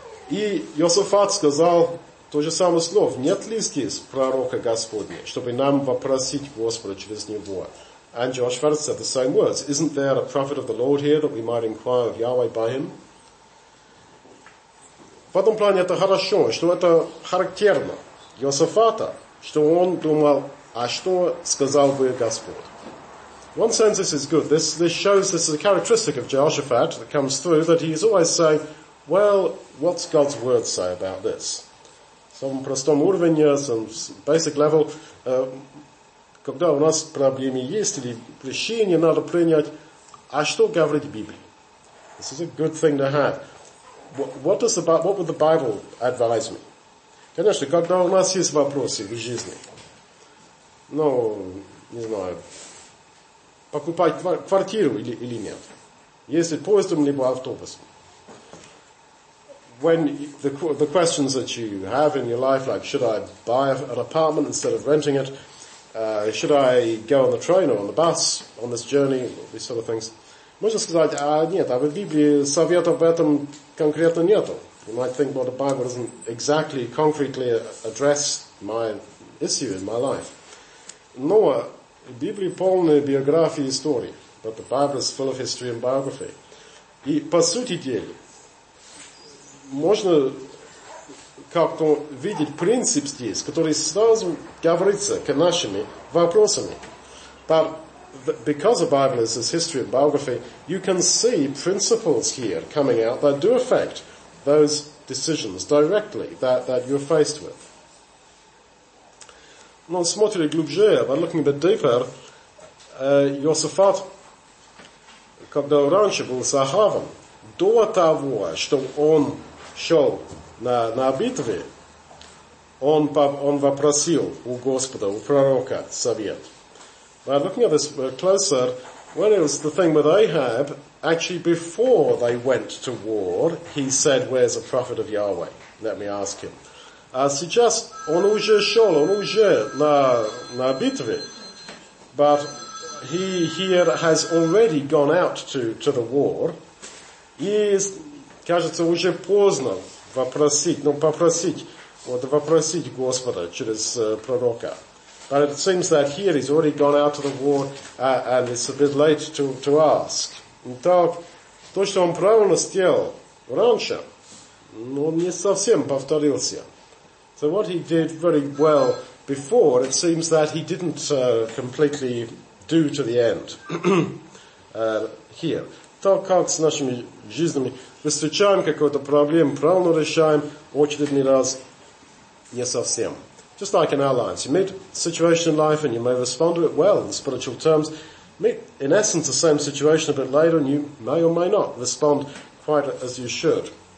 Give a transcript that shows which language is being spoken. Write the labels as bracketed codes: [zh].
[ru] И Йосафат сказал то же самое слово, нет ли здесь пророка Господня, чтобы нам вопросить Господа через него. [en] And Jehoshaphat said the same words, isn't there a prophet of the Lord here that we might inquire of Yahweh by him? [ru] В этом плане это хорошо, что это характерно. Йосафата, что он думал, а что сказал бы Господь? [en] One sense this is good. This shows this is a characteristic of Jehoshaphat that comes through, that he is always saying, well, what's God's word say about this? [ru] Some простом уровне, [en] some basic level, [ru] когда у нас проблемы есть или решение надо принять, а что говорит Библия? [en] This is a good thing to have. What would the Bible advise me? [ru] Конечно, когда у нас есть вопросы в жизни, не знаю, покупать квартиру или нет, если поездом либо автобусом. [en] When the questions that you have in your life, like should I buy an apartment instead of renting it, should I go on the train or on the bus on this journey, these sort of things. [ru] Можно сказать, а нет, а в Библии совета об этом конкретно нету. [en] You might think, well, the Bible doesn't exactly concretely address my issue in my life. [ru] Но Библия полная биографии и истории. [en] But the Bible is full of history and biography. [ru] И по сути дела, можно как-то видеть принцип здесь, который сразу говорится к нашими вопросами. But [en] because the Bible is this history and biography, you can see principles here coming out that do affect those decisions directly that you're faced with. [ru] Non smotire glubje, [en] but looking a bit deeper, [ru] Josafat, когда раньше был Сахавом, до того, что он шел на битве, он вопросил у Господа, у пророка, совет. [en] But looking at this closer, when it was the thing with Ahab, actually before they went to war, he said, where's the prophet of Yahweh? Let me ask him. [ru] Сейчас он уже шел, он уже на битве, [en] but he here has already gone out to the war. [ru] И кажется, уже поздно попросить Господа через пророка. [en] But it seems that here he's already gone out to the war, and it's a bit late to ask. [ru] Итак, то, что он правильно сделал раньше, он не совсем повторился. [en] So what he did very well before, it seems that he didn't completely do to the end here. [ru] Так как с нашими жизнями встречаем какую-то проблему, правильно решаем, очередный раз не совсем. [en] Just like in our lives, you meet a situation in life and you may respond to it well in spiritual terms. Meet, in essence, the same situation a bit later and you may or may not respond quite as you should.